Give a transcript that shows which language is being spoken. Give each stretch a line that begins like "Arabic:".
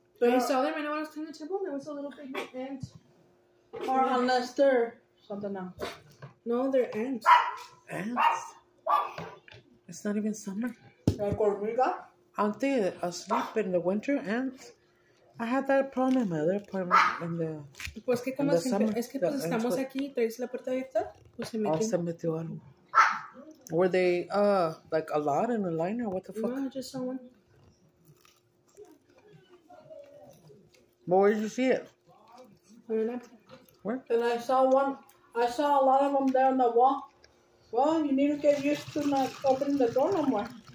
English: But you saw them, and when I was cutting the table, there was a little big ant. Or unless they're something else. No, they're ants. Ants? It's not even summer. Like hormiga? Aren't they asleep in the winter, ants? I had that problem in my other apartment in the
Spanish: pues que como siempre, es que pues estamos aquí, traes la puerta abierta, pues se metió. Oh, se metió algo.
English: Were they, like, a lot in a line, or what the fuck? No, just someone. But where did you see it? Where? And I saw one. I saw a lot of them there on the wall. Well, you need to get used to not opening the door no more.